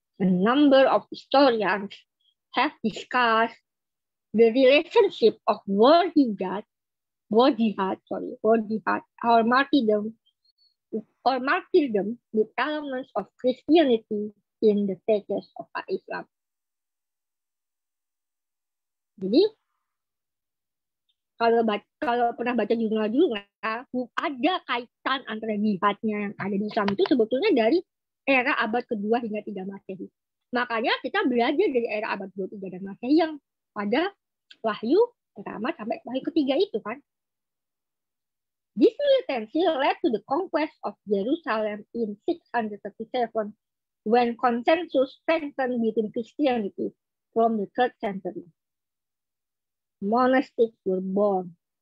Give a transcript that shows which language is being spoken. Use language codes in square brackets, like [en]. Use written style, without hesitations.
[en] A number of historians have discussed the relationship of war jihad, or martyrdom with elements of Christianity in the text of Islam. [id] Jadi, kalau pernah baca jurnal-jurnal, ada kaitan antara jihadnya yang ada di Islam itu sebetulnya dari era abad ke-2 hingga 3 Masehi. Makanya kita belajar dari era abad ke-3 dan Masehi yang pada Wahyu pertama sampai Wahyu ketiga itu kan. [en] This militancy led to the conquest of Jerusalem in 637 when consensus strengthened within Christianity from the 3rd century. Monastics were born.